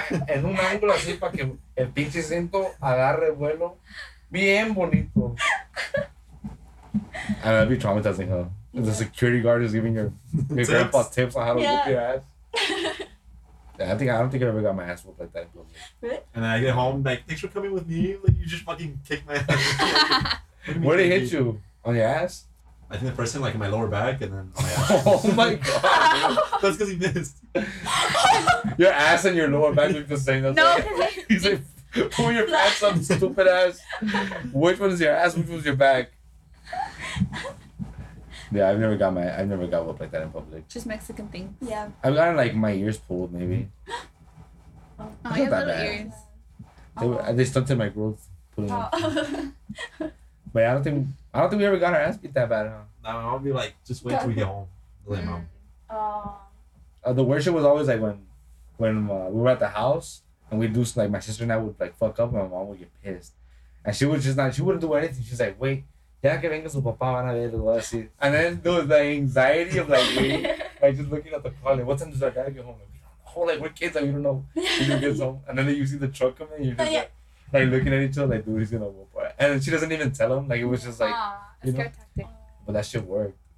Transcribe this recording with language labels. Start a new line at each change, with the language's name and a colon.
Spanish: En un ángulo así para que el pinche cinto agarre vuelo. Bien bonito.
English: I know, that'd be traumatizing, huh? Yeah. The security guard is giving your grandpa tips on how to whoop your ass. I don't think I ever got my ass whooped like that. Really? And then I get home, like, thanks for coming with me. Like, you just fucking kicked my ass. Where did he hit you? On your ass? I think the first thing, like, in my lower back, and then on my ass. Oh my god. That's because he missed. Your ass and your lower back look the same. That's no, right. He's like, pull your pants up, stupid ass. Which one is your ass? Which one's your back? Yeah, I've never got whooped like that in public. Just Mexican thing. Yeah. I've gotten like my ears pulled, maybe. Oh, you have little bad ears. They stunted my growth. But I don't think we ever got our ass beat that bad, huh? Nah, I'll be like, just wait till we get home. Like, mom. The worst shit was always like when we were at the house and we'd do some, like, my sister and I would like fuck up and my mom would get pissed. And she wouldn't do anything. She's like, wait.
Spanish: Yeah, que venga su papá, van a ver, lo voy a decir.
English: And then there was the anxiety of like, waiting, like just looking at the car, like, what time does our dad get home? And we don't know. Like, we're kids, like, we don't know. He just gets home. And then you see the truck coming, and you're just like looking at each other, like, dude, he's gonna whoop her. And she doesn't even tell him, like, it was just like, aww, you know? Tactic. But that shit worked.